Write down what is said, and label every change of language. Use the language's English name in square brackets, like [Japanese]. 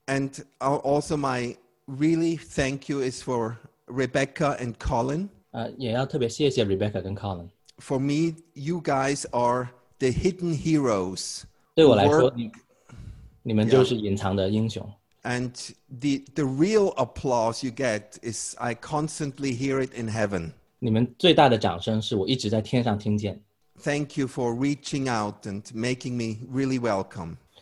[English] And also my really thank you is for Rebecca and Colin. [Chinese] 也要特别谢谢Rebecca跟Colin。 [English] For me, you guys are the hidden heroes. [Chinese] 对我来说，你们就是隐藏的英雄。 [English] And the real applause you get is I constantly hear it in heaven. [Chinese] 你们最大的掌声是我一直在天上听见。 [English] Thank you for reaching out and making me really welcome.